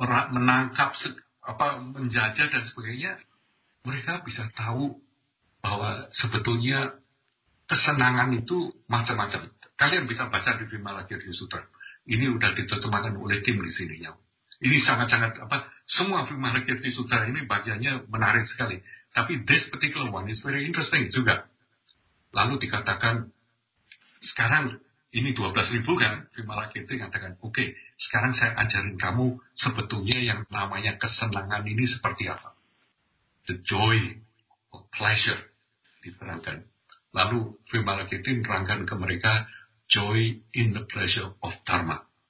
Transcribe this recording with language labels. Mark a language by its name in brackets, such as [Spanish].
[Indonesian] menangkap, menjajah dan sebagainya, mereka bisa tahu bahwa sebetulnya kesenangan itu macam-macam. Kalian bisa baca di Wimala Kirti Sutra. Ini sudah diterjemahkan oleh tim di sini. Ini sangat-sangat apa? Semua Wimala Kirti Sutra ini bagiannya menarik sekali. Tapi [English] this particular one is very interesting juga. [Indonesian] Lalu dikatakan, sekarang ini 12.000 kan? Wimala Kirti mengatakan, okay, sekarang saya ajarin kamu sebetulnya yang namanya kesenangan ini seperti apa. [English] The joy or pleasure [Indonesian] diterangkan. Lalu Wimala Kirti menerangkan ke mereka [English] joy in the pleasure of Dharma.